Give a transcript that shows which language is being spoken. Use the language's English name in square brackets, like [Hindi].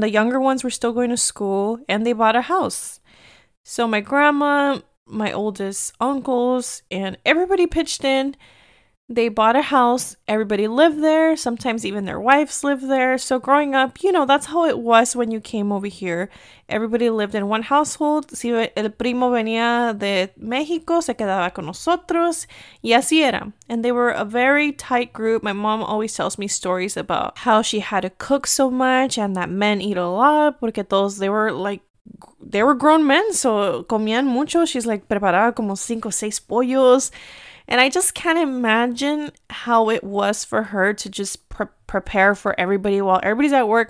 [English] The younger ones were still going to school, and they bought a house. So my grandma, my oldest uncles, and everybody pitched in. They bought a house, everybody lived there, sometimes even their wives lived there. So growing up, you know, that's how it was when you came over here. Everybody lived in one household. [Spanish] Si el primo venía de México, se quedaba con nosotros. Y así era. [English] And they were a very tight group. My mom always tells me stories about how she had to cook so much and that men eat a lot. [Spanish] Porque todos, [English] they were grown men, so [Spanish] comían mucho. [English] She's like, [Spanish] preparaba como cinco, seis pollos. [English] And I just can't imagine how it was for her to just prepare for everybody while everybody's at work.